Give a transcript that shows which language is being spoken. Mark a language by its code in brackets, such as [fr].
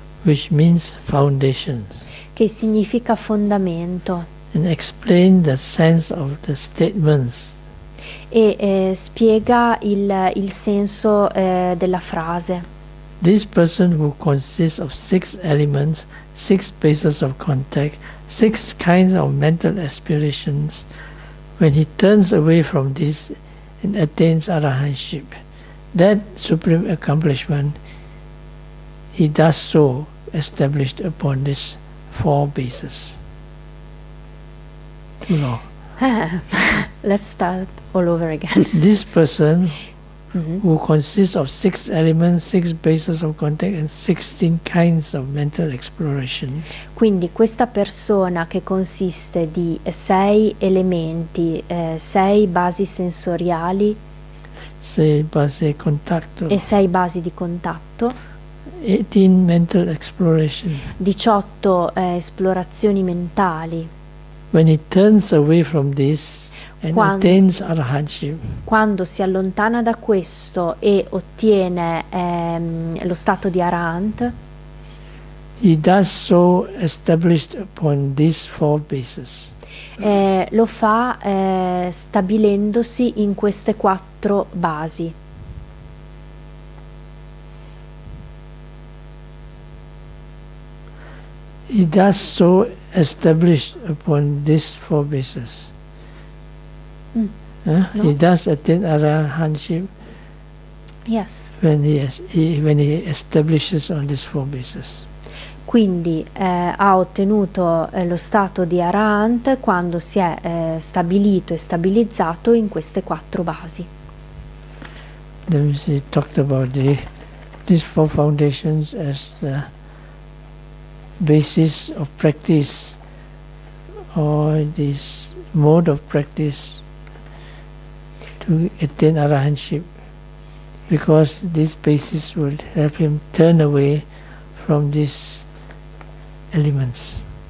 [en] which means foundations, [it] che significa fondamento. [en] And explain the sense of the statements. [it] E spiega il senso della frase. [en] This person who consists of six elements, six bases of contact, six kinds of mental aspirations, when he turns away from this and attains arahantship, that supreme accomplishment, he does so established upon these four bases. No. Let's start all over again. This person, mm-hmm, who consists of six elements, six bases of contact and 16 kinds of mental exploration. [it] Quindi questa persona che consiste di sei elementi, sei basi sensoriali, sei basi di contatto e sei basi di contatto, [en] 18 mental exploration. [it] 18 esplorazioni mentali. [en] When he turns away from this and attains arahantship, [it] quando si allontana da questo e ottiene lo stato di arahant, [en] he does so established upon these four bases. [it] Lo fa stabilendosi in queste quattro basi. [en] He does so established upon these four bases. He does attain arahantship. Yes. When he establishes on these four bases. [it] Quindi ha ottenuto lo stato di arahant quando si è stabilito e stabilizzato in queste quattro basi. [en] Then we talked about these four foundations as the basis of practice, or this mode of practice to attain arahantship, because this basis will help him turn away from these elements.